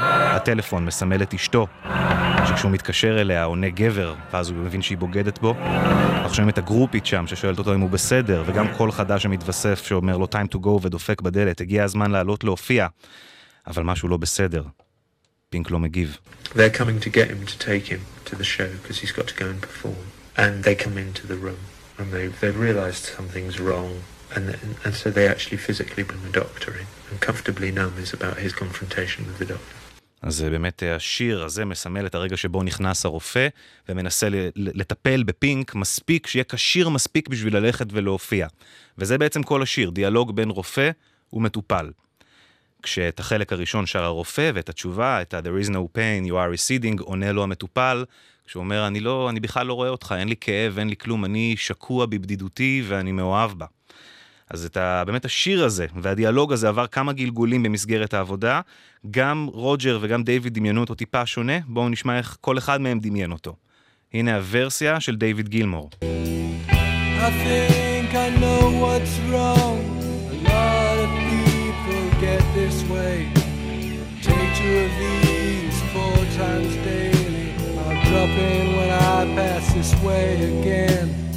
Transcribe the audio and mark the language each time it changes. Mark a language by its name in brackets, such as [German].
[Hebrew] הטלפון מסמל את אשתו, שכשהוא מתקשר אליה עונה גבר, ואז הוא מבין שהיא בוגדת בו. אנחנו שומעים את הגרופית שם, ששואלת אותו אם הוא בסדר, וגם קול חדש שמתווסף, שאומר לו [English] time to go [Hebrew] ודופק בדלת, הגיע הזמן לעלות להופיע, אבל משהו לא בסדר. פינק לא מגיב. [English] They're coming to get him to take him to the show, because he's got to go and perform. and they come into the room and they've realized something's wrong, and so they actually physically bring the doctor in, and Comfortably Numb is about his confrontation with the doctor. [Hebrew] אז באמת השיר הזה מסמל את הרגע שבו נכנס הרופא ומנסה לטפל בפינק מספיק, שיהיה כשיר מספיק בשביל ללכת ולהופיע. וזה בעצם כל השיר, דיאלוג בין רופא ומטופל. כשאת החלק הראשון שר הרופא ואת התשובה, את ה- [English] There is no pain, you are receding, [Hebrew] עונה לו המטופל, כשהוא אומר, אני בכלל לא רואה אותך, אין לי כאב, אין לי כלום, אני שקוע בבדידותי ואני מאוהב בה. אז את באמת השיר הזה והדיאלוג הזה עבר כמה גלגולים במסגרת העבודה. גם רוג'ר וגם דיוויד דמיינו אותו טיפה שונה. בואו נשמע איך כל אחד מהם דמיין אותו. הנה הוורסיה של דיוויד גילמור. [English] I think I know what's wrong. A lot of people get this way. Take two of these four times daily. I'll drop in when I pass this way again.